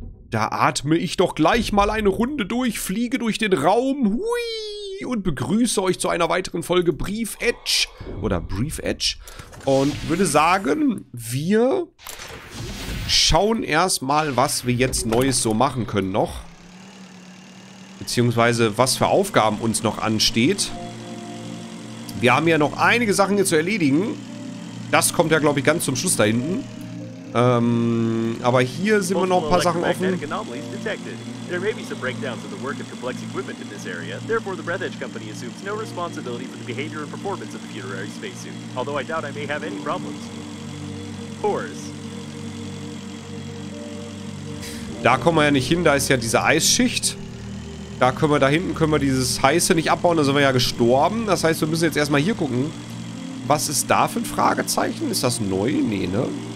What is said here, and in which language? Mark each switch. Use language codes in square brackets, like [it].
[de] Da atme ich doch gleich mal eine Runde durch, fliege durch den Raum, hui, und begrüße euch zu einer weiteren Folge Brief Edge oder Brief Edge und würde sagen, wir schauen erstmal, was wir jetzt Neues so machen können noch, beziehungsweise was für Aufgaben uns noch ansteht. Wir haben ja noch einige Sachen hier zu erledigen, das kommt ja glaube ich ganz zum Schluss da hinten. Aber hier sind wir noch ein paar Sachen offen. [en] There may be some breakdowns of the work of complex equipment in this area. Therefore, the Breath Edge Company assumes no responsibility for the behavior and performance of the Futurary spacesuit. Although I doubt I may have any problems. Pores. [de] Da kommen wir ja nicht hin, da ist ja diese Eisschicht. Da können wir, da hinten können wir dieses Heiße nicht abbauen, da sind wir ja gestorben. Das heißt, wir müssen jetzt erstmal hier gucken. Was ist da für ein Fragezeichen? Ist das neu? Nee, ne?